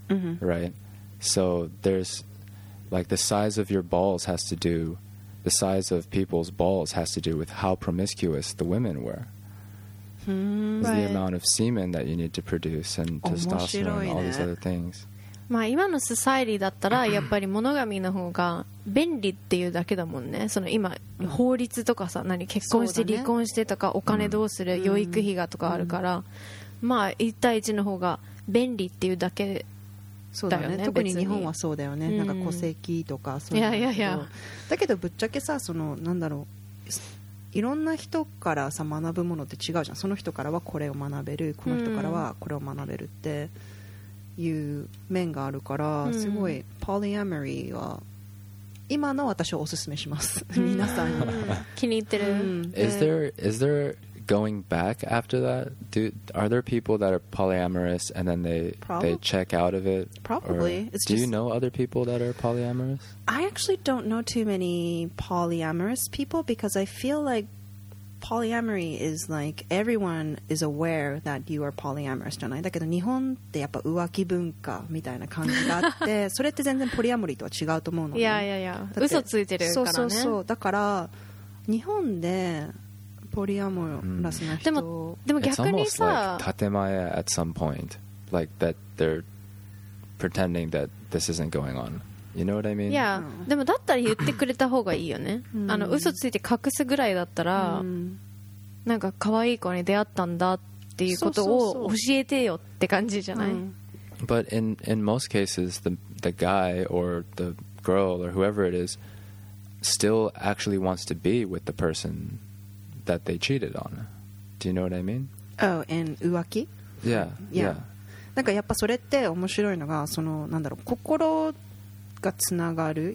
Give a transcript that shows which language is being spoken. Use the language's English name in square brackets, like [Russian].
[English] mm-hmm. right? So there's, like, the size of your balls has to do, the size of people's balls has to do with how promiscuous the women were. Mm, right. The amount of semen that you need to produce and testosterone and all these other things. [Japanese] まあ今のソサエティだったらやっぱりモノガミの方が便利っていうだけだもんね。その今法律とかさ、何結婚して離婚してとかお金どうする、うん、養育費がとかあるから、うん、まあ一対一の方が便利っていうだけだよね。そうだね。特に日本はそうだよね。うん、なんか戸籍とかそういうの。いやいやいや。だけどぶっちゃけさ、そのなんだろう。いろんな人からさ学ぶものって違うじゃん。その人からはこれを学べる、この人からはこれを学べるって。うんいう面があるから、うん、すごいポリアモリーは今の私をおすすめします皆さんに気に入ってる、うん、 [English] is there going back after that? Are there people that are polyamorous and then they check out of it? Probably. Do you know other people that are polyamorous? I actually don't know too many polyamorous people because I feel like polyamory is like everyone is aware that you are polyamorous [Japanese] じゃない。だけど日本ってやっぱ浮気文化みたいな感じがあって、それって全然ポリアモリーとは違うと思うので。いやいやいや、嘘ついてるからね。そうそうそう。だから日本でポリアモラスな人、でも逆にさ、 [English] it's almost like 建前 at some point, like that they're pretending that this isn't going on. You know what I mean? Yeah. [Japanese] でもだったら言ってくれた方がいいよね。あの嘘ついて隠すぐらいだったら、なんか可愛い子に出会ったんだっていうことを教えてよって感じじゃない？ [English] But in most cases, the guy or the girl or whoever it is still actually wants to be with the person that they cheated on. Do you know what I mean? Oh, and 浮気？ Yeah. Yeah. [Japanese] なんかやっぱそれって面白いのが、そのなんだろう、心がつながる。